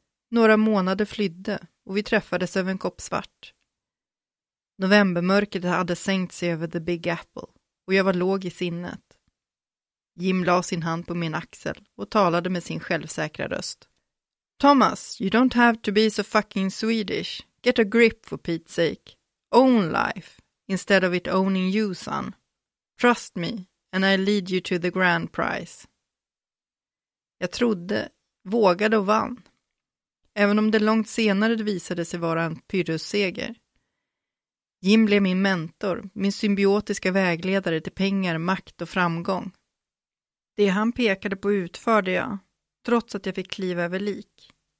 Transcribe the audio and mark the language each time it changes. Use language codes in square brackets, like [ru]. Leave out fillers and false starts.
[sv] Några månader flydde och vi träffades över en kopp svart. Novembermörket hade sänkt sig över The Big Apple och jag var låg i sinnet. Jim la sin hand på min axel och talade med sin självsäkra röst. [en] Thomas, you don't have to be so fucking Swedish. Get a grip for Pete's sake. Own life instead of it owning you, son. Trust me and I lead you to the grand prize. [sv] Jag trodde, vågade och vann. Även om det långt senare visade sig vara en pyrrusseger. Jim blev min mentor, min symbiotiska vägledare till pengar, makt och framgång. Det han pekade på utförde jag, trots att jag fick kliva över lik.